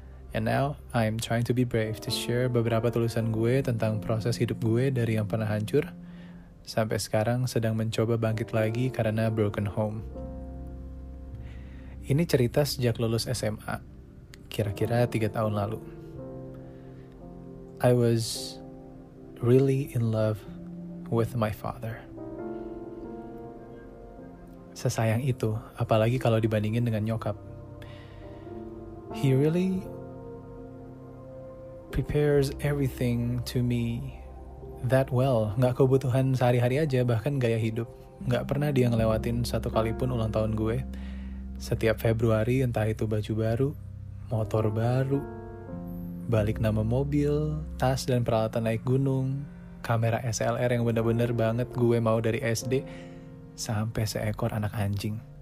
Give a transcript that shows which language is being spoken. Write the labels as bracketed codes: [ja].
[en] And now, I'm trying to be brave to share [id] beberapa tulisan gue tentang proses hidup gue dari yang pernah hancur, sampai sekarang sedang mencoba bangkit lagi karena [en] broken home. [id] Ini cerita sejak lulus SMA, kira-kira 3 tahun lalu. [en] I was really in love with my father. [id] Sesayang itu, apalagi kalau dibandingin dengan nyokap. [en] He really prepares everything to me that well. [id] Gak kebutuhan sehari-hari aja, bahkan gaya hidup. Gak pernah dia ngelewatin satu kalipun ulang tahun gue. Setiap Februari, entah itu baju baru, motor baru, balik nama mobil, tas dan peralatan naik gunung, kamera SLR yang bener-bener banget gue mau dari SD, sampai seekor anak anjing.